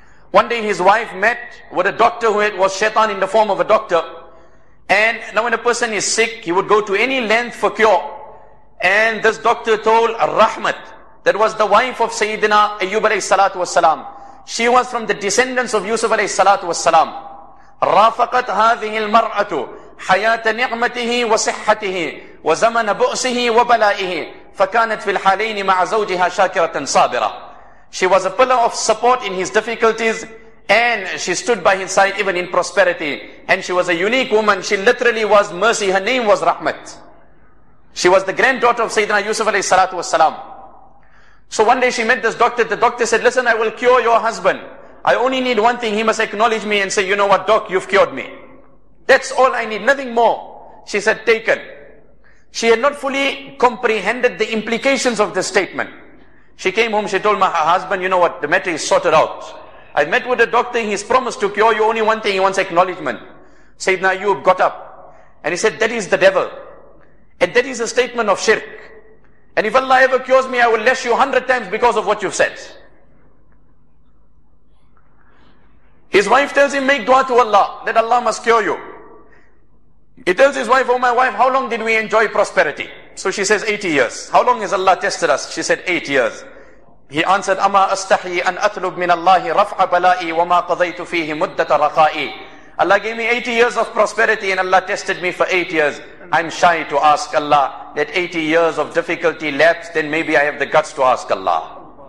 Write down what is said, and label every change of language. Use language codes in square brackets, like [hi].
[en] One day his wife met with a doctor who was shaitan in the form of a doctor. And now when a person is sick, he would go to any length for cure. And this doctor told Rahmat, that was the wife of Sayyidina Ayyub alayhi salatu wasalam. She was from the descendants of Yusuf alayhi salatu wasalam. [ar] رافقت هذه المرأة حياة نعمته وصحته وزمن بؤسه وبلائه فكانت في الحالين مع زوجها شاكرة صابرة. [en] She was a pillar of support in his difficulties, and she stood by his side even in prosperity. And she was a unique woman. She literally was mercy. Her name was Rahmat. She was the granddaughter of Sayyidina Yusuf alayhi salatu wasalam. So one day she met this doctor. The doctor said, listen, I will cure your husband. I only need one thing. He must acknowledge me and say, you know what, doc, you've cured me. That's all I need. Nothing more. She said, taken. She had not fully comprehended the implications of this statement. She came home. She told my husband, you know what, the matter is sorted out. I met with a doctor. He's promised to cure you. Only one thing. He wants acknowledgement. Sayyidina Ayyub got up. And he said, that is the devil. And that is a statement of shirk. And if Allah ever cures me, I will lash you 100 times because of what you've said. His wife tells him, make dua to Allah, that Allah must cure you. He tells his wife, oh my wife, how long did we enjoy prosperity? So she says, 80 years. How long has Allah tested us? She said, 8 years. He answered, [ar] أَمَا أَسْتَحْيِ أَنْ أَطْلُبْ مِنَ اللَّهِ رَفْعَ بَلَائِي وَمَا قَضَيْتُ فِيهِ مُدَّةَ رَخَائِي. [en] Allah gave me 80 years of prosperity and Allah tested me for 8 years. I'm shy to ask Allah that 80 years of difficulty lapse, then maybe I have the guts to ask Allah.